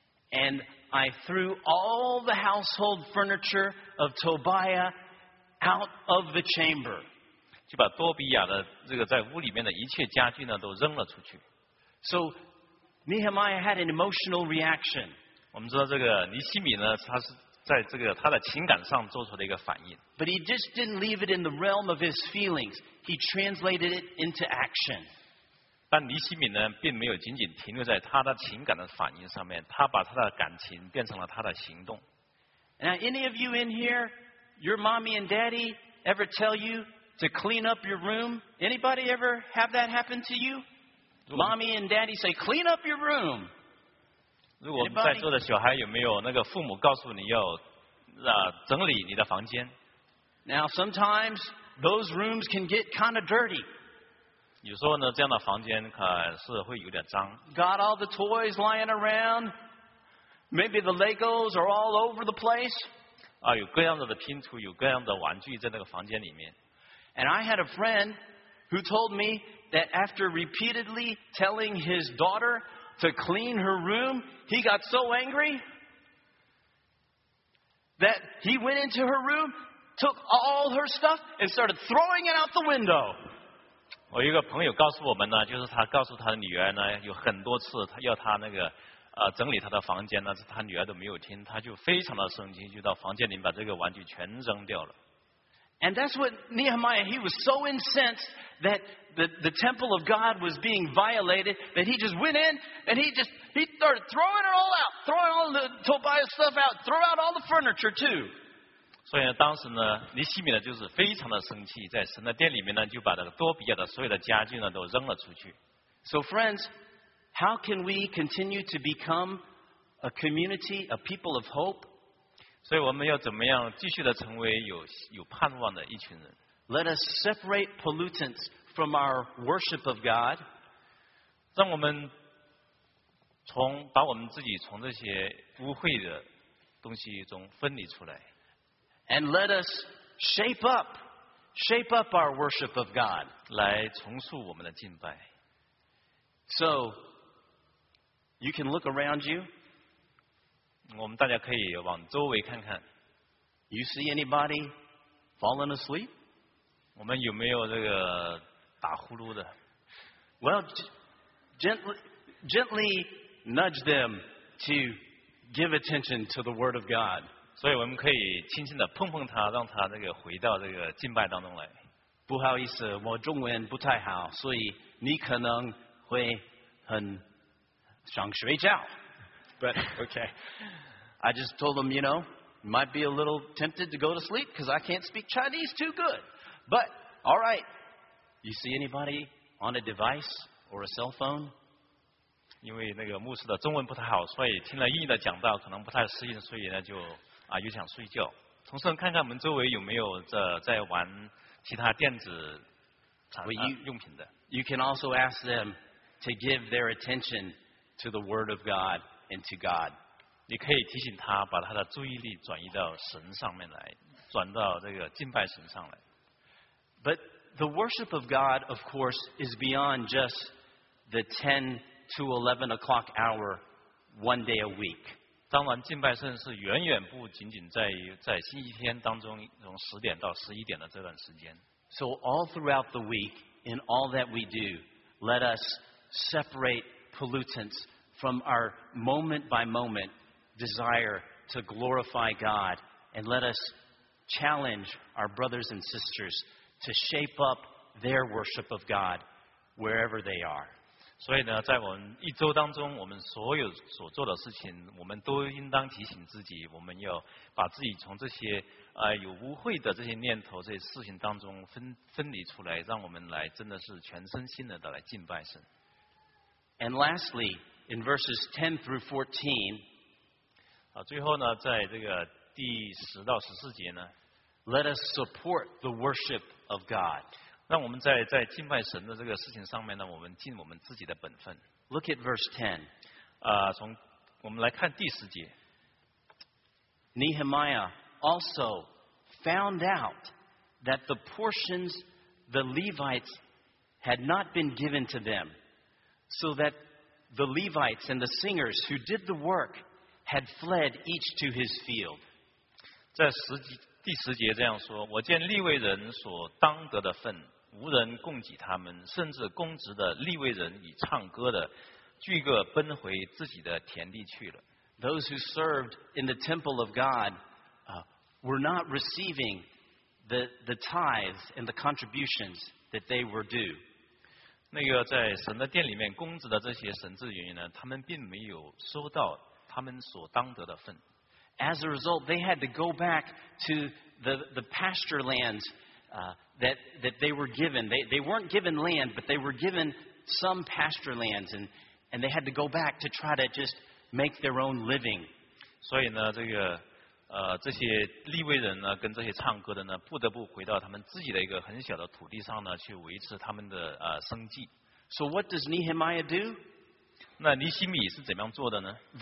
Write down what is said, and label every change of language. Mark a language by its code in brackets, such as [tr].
[en] And I threw all the household furniture of Tobiah out of the chamber. [zh] 就把多比亚的这个在屋里面的一切家具呢都扔了出去。 [en] So Nehemiah had an emotional reaction. [zh] 我们知道这个尼希米呢，他是在这个他的情感上做出了一个反应。 [en] But he just didn't leave it in the realm of his feelings. He translated it into action. [zh] 但尼希米呢，并没有仅仅停留在他的情感的反应上面，他把他的感情变成了他的行动。 [en] Now, any of you in here, your mommy and daddy ever tell you to clean up your room? Anybody ever have that happen to you? Mommy and daddy say, clean up your room. [zh] 如果我们在座的小孩有没有那个父母告诉你要整理你的房间？ [en] Now, sometimes those rooms can get kind of dirty. [zh] 有时候呢，这样的房间可是会有点脏。 [en] Got all the toys lying around. Maybe the Legos are all over the place. [zh] 啊，有各样的拼图，有各样的玩具在那个房间里面。 [en] And I had a friend who told me that after repeatedly telling his daughter to clean her room, he got so angry that he went into her room, took all her stuff, and started throwing it out the window. [zh] 我一个朋友告诉我们呢，就是他告诉他的女儿呢，有很多次他要他那个。整理他的房间，但是他女儿都没有听，他就非常的生气，就到房间里把这个玩具全扔掉了。 [en] And that's what Nehemiah, he was so incensed that the temple of God was being violated that he just went in and he started throwing it all out, throwing all the Tobias stuff out, throw out all the furniture too. [zh] 所以呢当时呢尼希米呢就是非常的生气，在神的殿里面呢就把这个多比亚的所有的家具呢都扔了出去。 [en] So friends,How can we continue to become a community, a people of hope? [zh] 所以我们要怎么样继续的成为有盼望的一群人？ [en] Let us separate pollutants from our worship of God. [zh] 让我们把我们自己从这些污秽的东西中分离出来。 [en] And let us shape up our worship of God. [zh] 来重塑我们的敬拜。 [en] So,You can look around you. [zh] 我们大家可以往周围看看。 [en] You see anybody falling asleep? [zh] 我们有没有这个打呼噜的？ [en] Well, gently nudge them to give attention to the Word of God. [zh] 所以我们可以轻轻的碰碰他，让他这个回到这个敬拜当中来。不好意思，我中文不太好，所以你可能会很。想睡觉 [en] but okay. I just told them, you know, might be a little tempted to go to sleep because I can't speak Chinese too good. But, all right, you see anybody on a device or a cell phone? [zh] 因为那个牧师的中文不太好，所以听了英语的讲道可能不太适应，所以呢就又想睡觉。同时看看我们周围有没有在玩其他电子用品的。 [en] You can also ask them to give their attention. To the Word of God and to God. [zh] 你可以提醒他把他的注意力转移到神上面来，转到这个敬拜神上来。 [en] But the worship of God, of course, is beyond just the 10 to 11 o'clock hour one day a week. [zh] 当然，敬拜神是远远不仅仅在星期天当中从十点到十一点的这段时间。 [en] So all throughout the week, in all that we do, let us separate. Pollutants from our moment by moment desire to glorify God and let us challenge our brothers and sisters to shape up their worship of God wherever they are. [zh] 所以呢，在我们一周当中，我们所有所做的事情，我们都应当提醒自己，我们要把自己从这些有污秽的这些念头、这些事情当中分离出来，让我们来真的是全身心的来敬拜神。 [en] And lastly, in verses 10 through 14, [zh] 最后呢，在这个第十到十四节呢 [en] ，Let us support the worship of God. [zh] 让我们在敬拜神的这个事情上面呢，我们尽我们自己的本分。 [en] Look at verse 10. [zh] 从我们来看第十节。 [en] Nehemiah also found out that the portions the Levites had not been given to them. So that the Levites and the singers who did the work had fled each to his field. [zh] 在第十节这样说，我见利未人所当得的份无人供给他们，甚至公职的利未人以唱歌的聚个奔回自己的田地去了。 [en] Those who served in the temple of God were not receiving the tithes and the contributions that they were due. [zh] 那个在神的殿里面供职的这些神职人员呢，他们并没有收到他们所当得的份。 [en] As a result, they had to go back to the pasture lands that they were given. They weren't given land, but they were given some pasture lands, and they had to go back to try to just make their own living. [zh] 所以呢，这个这些利未人呢，跟这些唱歌的呢，不得不回到他们自己的一个很小的土地上呢，去维持他们的生计。 [en] So what does Nehemiah do? [zh] 那尼希米是怎么样做的呢？